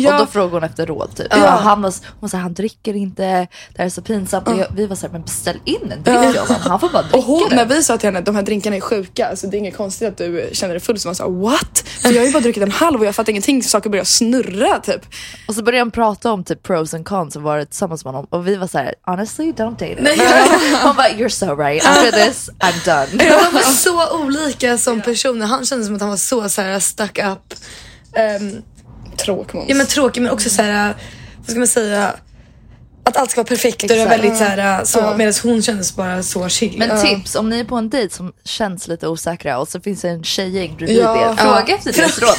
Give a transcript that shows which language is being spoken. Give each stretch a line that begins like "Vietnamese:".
Swedish: Och då frågar hon efter råd typ. Så här, han dricker inte, det här är så pinsamt. Vi var så här, men beställ in en drink. Han får bara dricka. Och hon, när vi sa till henne, de här drinkarna är sjuka, så det är inget konstigt att du känner dig full. Så man sa,
English: what?
Swedish: För jag har ju bara druckit en halv och jag fattar ingenting, så saker börjar snurra typ. Och så började han prata om typ
English: pros and cons
Swedish: och varit tillsammans med honom. Och vi var så här,
English: honestly, don't date him.
Swedish: Han bara,
English: you're so right, after this, I'm done.
Swedish: De var så olika som personer. Han kände som att han var så här stuck up. Tråkig, ja, men tråkig, men också så här. Vad ska man säga? att allt ska vara perfekt. Exakt. Då är det väldigt såhär, så, medan hon kändes bara så chill. Men tips, om ni är på en dejt som känns lite osäkra och så finns det en tjejgäng bredvid fråga efter deras råd.